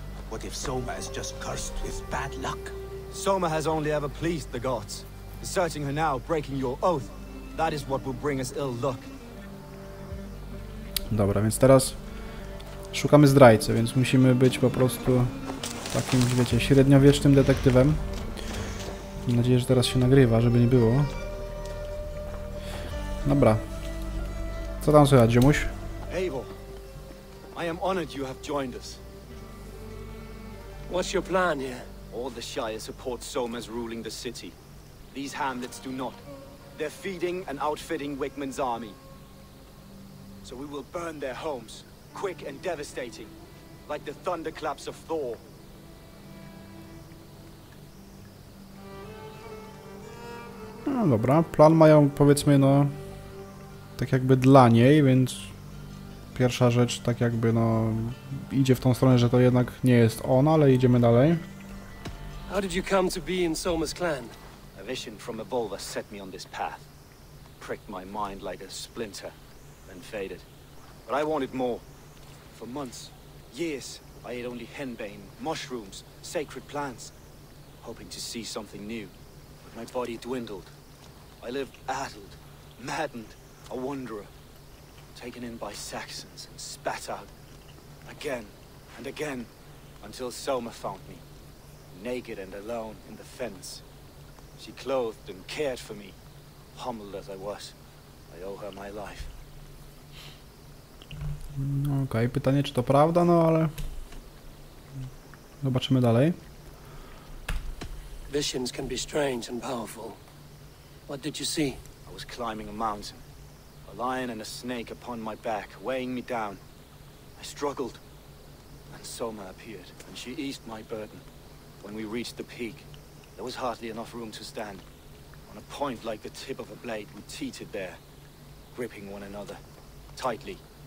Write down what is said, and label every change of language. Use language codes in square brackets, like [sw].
[en] What if Soma is just cursed with bad luck? Soma has only ever pleased the gods. Deserting her now, breaking your oath, that is what will bring us ill luck. [pl] Dobra, więc teraz szukamy zdrajcy, więc musimy być po prostu takim, wiecie, średniowiecznym detektywem. Mam nadzieję, że teraz się nagrywa, żeby nie było. Dobra. Co tam słychać, ziomuś? [en] Eivor, I am honored you have joined us. What's your plan here? All the Shire support Soma's ruling the city. These hamlets do not. They're feeding and outfitting Wickman's army. So we will burn their homes, quick and devastating, like the thunderclaps of Thor. [pl] No dobra, plan mają, powiedzmy, no, tak jakby dla niej, więc pierwsza rzecz tak jakby, no, idzie w tą stronę, że to jednak nie jest ona, ale idziemy dalej. [en] How did you come to be in Soma's clan? A vision from Evolver set me on this path. Pricked my mind like a splinter, then faded. But I wanted more. For months, years, I ate only henbane, mushrooms, sacred plants, hoping to see something new. But my body dwindled. I lived addled, maddened, a wanderer, taken in by Saxons and spat out. Again and again, until Soma found me, naked and alone in the fens. She clothed and cared for me, humbled as I was. I owe her my life. [pl] Okej, pytanie, czy to prawda, no ale zobaczymy dalej. [en] Visions can be strange and powerful. What did you see? I was climbing a mountain. A lion and a snake upon my back, weighing me down. I struggled, and Soma appeared, and she eased my burden. When we reached the peak, there was hardly enough room to stand. On a point like the tip of a blade, we teetered there, gripping one another, tightly.